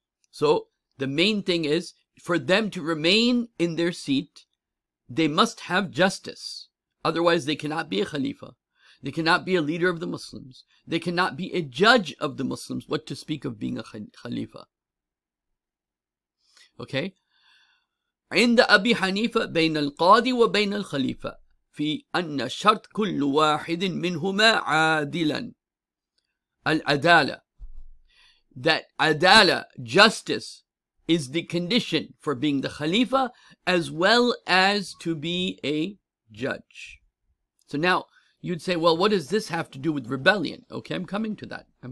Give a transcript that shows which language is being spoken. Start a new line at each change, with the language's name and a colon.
English: So, the main thing is, for them to remain in their seat, they must have justice. Otherwise, they cannot be a Khalifa. They cannot be a leader of the Muslims. They cannot be a judge of the Muslims, what to speak of being a Khalifa. Okay?
Arabic: عند أبي حنيفة بين القاضي وبين الخليفة في أن شرط كل واحد منهما عادلا العدالة.
English: That adala, justice, is the condition for being the Khalifa as well as to be a judge. So now, you'd say, well, what does this have to do with rebellion? Okay, I'm coming to that.